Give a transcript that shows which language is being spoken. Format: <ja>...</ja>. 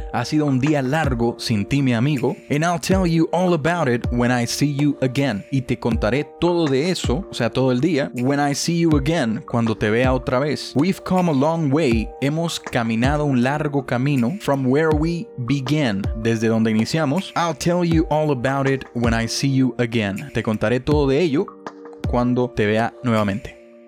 <es>Ha sido un día largo sin ti, mi amigo.</es> <en>And I'll tell you all about it when I see you again.</en> <es>Y te contaré todo de eso, o sea, todo el día.</es> <en>When I see you again,</en> <es>cuando te vea otra vez.</es> <en>We've come a long way.</en> <es>Hemos caminado un largo camino.</es> <en>From where we began.</en> <es>Desde donde iniciamos.</es> <en>I'll tell you all about it when I see you again.</en> <es>Te contaré todo de ello cuando te vea nuevamente.</es>